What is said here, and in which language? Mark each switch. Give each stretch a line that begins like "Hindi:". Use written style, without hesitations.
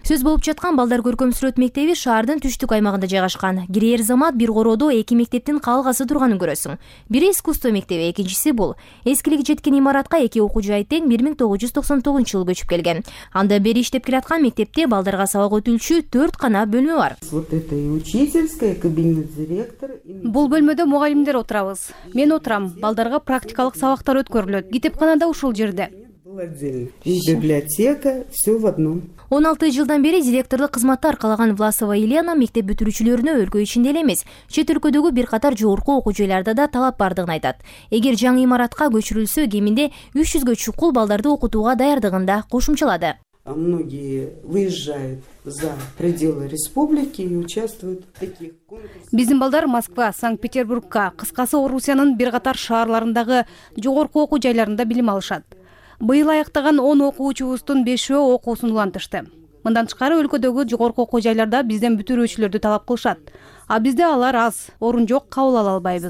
Kyrgyz: Сөз болуп жаткан балдар көркөм сүрөт мектеби шаардын түштүк аймагында жайгашкан. Кирээр замат бир короодо эки мектептин калгасы турганын көрөсүң. Бири искусство мектеби, экинчиси бул. Эскилиги жеткен имаратка эки окуу жай тең 1999-жылы көчүп келген. Анда бери иштеп келаткан мектепте балдарга сабак өтүүчү 4 гана бөлмө бар.
Russian: Вот это и учительская, кабинет директора.
Kyrgyz: Бул бөлмөдө мугалимдер отурабыз. Мен отурам. Балдарга практикалык сабактар өткөрүлөт. Китепканада ушул жерде.
Russian: И библиотека, все в одном.
Kyrgyz: 16 жылдан бери директорлук кызматты аркалаган Власова Елена мектеп бүтүрүүчүлөрүнө өлкө ичинде эле эмес, чет өлкөдөгү бир катар жогорку окуу жайларда да талап бардыгын айтат. Эгер жаңы имаратка көчүрүлсө, кеминде 300 чукул балдарды окутууга даярдыгын да кошумчалады.
Russian: Многие выезжают за пределы республики и участвуют в таких конкурсах.
Kyrgyz: Биздин балдар Москва, Санкт-Петербургка, кыскасы Орусиянын бир катар шаарларындагы жогорку окуу жайларында билим алышат. Быйыл аяктаган 10 окуучубуздун 5 окуусун улантышты. Мындан тышкары өлкөдөгү жогорку окуу жайларда бизден бүтүрүүчүлөрдү талап кылышат. А бизде алар аз, орун жок, кабыл ала албайбыз.